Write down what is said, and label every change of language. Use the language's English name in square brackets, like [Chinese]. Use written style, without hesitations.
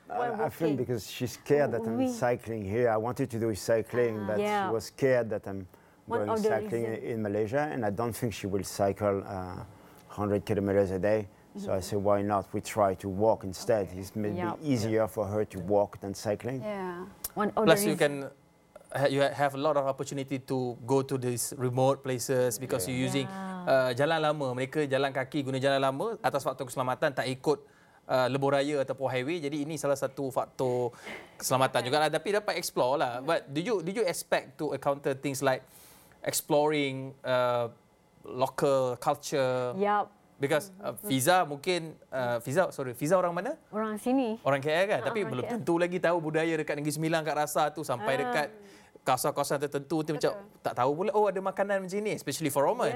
[English] I think because she's scared that I'm cycling here. I wanted to do cycling, but she was scared that I'm going cycling in Malaysia, and I don't think she will cycle 100 kilometers a day. So I said, why not? We try to walk instead. Okay. It's maybe easier for her to walk than cycling. Yeah. Plus, you have a lot of opportunity to go to these remote places because you're using jalan lama. [Malay] Mereka jalan kaki guna jalan lama atas faktor keselamatan, tak ikut lebuh raya ataupun highway. Jadi ini salah satu faktor keselamatan juga. Tapi dapat explore lah. [English] But did you expect to encounter things like exploring local culture? Yep. Because [Malay] Fiza mungkin Fiza orang mana? Orang sini. Orang KL kan? Tapi belum tentu lagi tahu budaya dekat Negeri Sembilan, kat Rasa tu sampai dekat kawasan-kawasan tertentu tu macam tak tahu pula ada makanan macam ni, [English] especially for Roman.